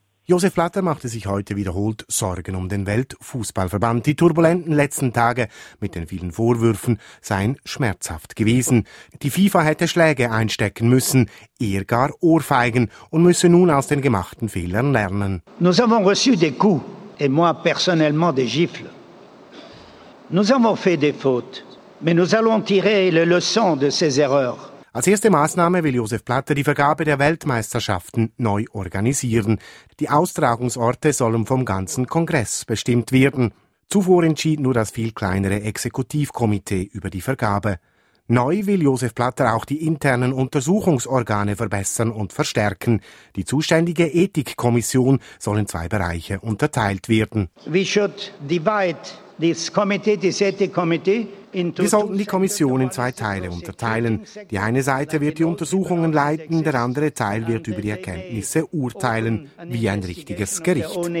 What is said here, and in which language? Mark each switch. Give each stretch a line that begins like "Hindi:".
German: Josef Blatter machte sich heute wiederholt Sorgen um den Weltfußballverband. Die turbulenten letzten Tage mit den vielen Vorwürfen seien schmerzhaft gewesen. Die FIFA hätte Schläge einstecken müssen, eher gar Ohrfeigen, und müsse nun aus den gemachten Fehlern lernen.
French: Nous avons reçu des coups et moi personnellement des gifles. Nous avons fait des fautes, mais nous allons tirer les leçons de ces erreurs.
German: Als erste Maßnahme will Josef Blatter die Vergabe der Weltmeisterschaften neu organisieren. Die Austragungsorte sollen vom ganzen Kongress bestimmt werden. Zuvor entschied nur das viel kleinere Exekutivkomitee über die Vergabe. Neu will Josef Blatter auch die internen Untersuchungsorgane verbessern und verstärken. Die zuständige Ethikkommission soll in zwei Bereiche unterteilt werden.
English: We should divide this committee, this ethic committee.
German: Wir sollten die Kommission in zwei Teile unterteilen. Die eine Seite wird die Untersuchungen leiten, der andere Teil wird über die Erkenntnisse urteilen, wie ein richtiges Gericht.